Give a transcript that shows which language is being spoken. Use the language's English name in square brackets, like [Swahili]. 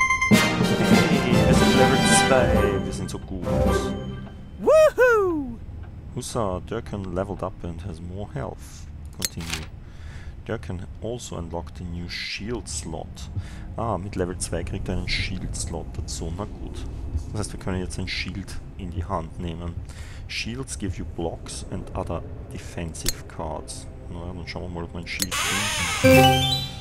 [German] Hey, es ist Level 2, wir sind so gut. Woohoo! [English] Hussa, Durkan leveled up and has more health. Continue. Durkan also unlocked a new shield slot. [German] Ah, mit Level 2 kriegt er einen Shield Slot dazu. Na gut. Das heißt, wir können jetzt ein Shield in die Hand nehmen. [English] Shields give you blocks and other defensive cards. [German] Na ja, dann schauen wir mal, ob wir ein Shield finden.